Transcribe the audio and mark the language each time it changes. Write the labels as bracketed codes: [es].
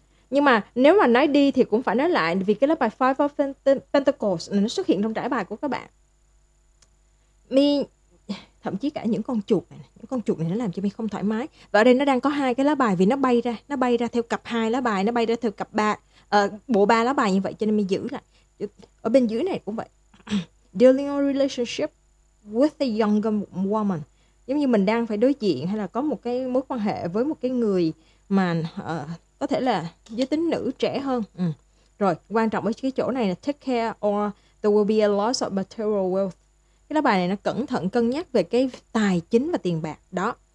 [vi] Nhưng mà nếu mà nói đi thì cũng phải nói lại, vì cái lá bài Five of Pentacles nó xuất hiện trong trải bài của các bạn. Thậm chí cả những con chuột này, những con chuột này nó làm cho mình không thoải mái. Và ở đây nó đang có hai cái lá bài vì nó bay ra theo cặp hai lá bài, nó bay ra theo cặp ba, bộ ba lá bài như vậy, cho nên mình giữ lại. Ở bên dưới này cũng vậy. [en] Dealing a relationship with a younger woman. [vi] Giống như mình đang phải đối diện hay là có một cái mối quan hệ với một cái người mà có thể là giới tính nữ trẻ hơn. Rồi, quan trọng ở cái chỗ này là [en] take care or there will be a loss of material wealth. [vi] Cái lá bài này nó cẩn thận cân nhắc về cái tài chính và tiền bạc đó.